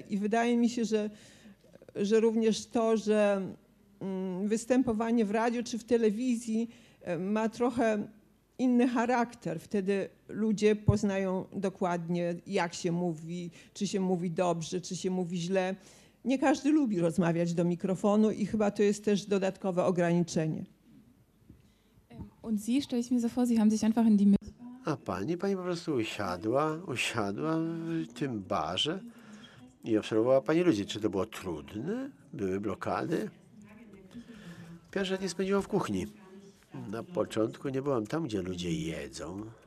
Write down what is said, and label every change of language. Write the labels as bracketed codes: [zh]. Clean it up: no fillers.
[pl] I wydaje mi się, że również to, że występowanie w radiu czy w telewizji ma trochę inny charakter. Wtedy ludzie poznają dokładnie, jak się mówi, czy się mówi dobrze, czy się mówi źle. Nie każdy lubi rozmawiać do mikrofonu i chyba to jest też dodatkowe ograniczenie. [de] Und Sie stelle ich mir so vor, Sie haben sich einfach in die Mitte. [pl] A pani po prostu usiadła w tym barze i obserwowała pani ludzi. Czy to było trudne? Były blokady? Pierwsze dni spędziłam w kuchni. Na początku nie byłam tam, gdzie ludzie jedzą.